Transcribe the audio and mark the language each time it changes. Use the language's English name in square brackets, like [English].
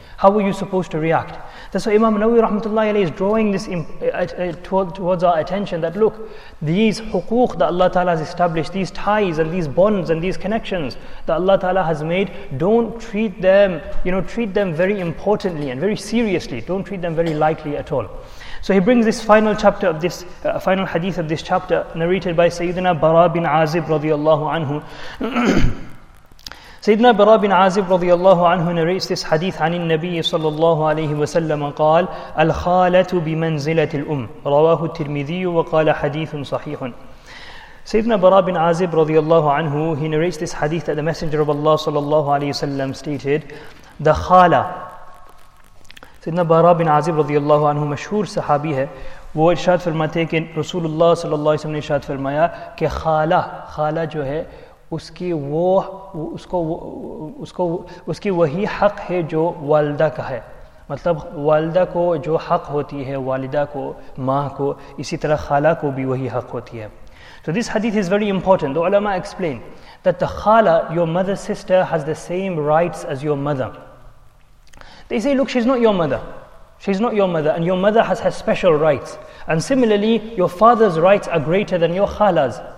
[English] How were you supposed to react? That's why Imam Nawawi rahmatullahi alayhi is drawing this towards our attention that look, these huquq that Allah Ta'ala has established, these ties and these bonds and these connections that Allah Ta'ala has made, don't treat them, you know, treat them very importantly and very seriously. Don't treat them very lightly at all. So he brings this final chapter of this, final hadith of this chapter narrated by Sayyidina Bara bin Azib radiallahu anhu. [Arabic] Sayyidina Bara bin Azib radiyallahu anhu [English] narrates this hadith [Arabic] عن النبي صلى الله عليه وسلم قال الخالة بمنزلة الأم رواه الترمذي وقال حديث صحيح. [English] Sayyidina Bara bin Azib radiyallahu anhu, he narrates this hadith that the Messenger of Allah صلى الله عليه وسلم stated, the khala. [Urdu] Sayyidina Bara bin Azib radiyallahu anhu, مشهور صحابي ہے, وہ ارشاد فرماتے ہیں کہ رسول اللہ صلى الله عليه وسلم نے ارشاد فرمایا کہ خالہ جو ہے اس کی وہی حق ہے جو والدہ کا ہے. مطلب والدہ کو جو حق ہوتی ہے, والدہ کو, ماں کو, اسی طرح خالہ کو بھی وہی حق ہوتی ہے. [English] So this hadith is very important. The ulama explain that the khala, your mother's sister, has the same rights as your mother. They say, look, she's not your mother. She's not your mother, and your mother has her special rights. And similarly, your father's rights are greater than your khala's.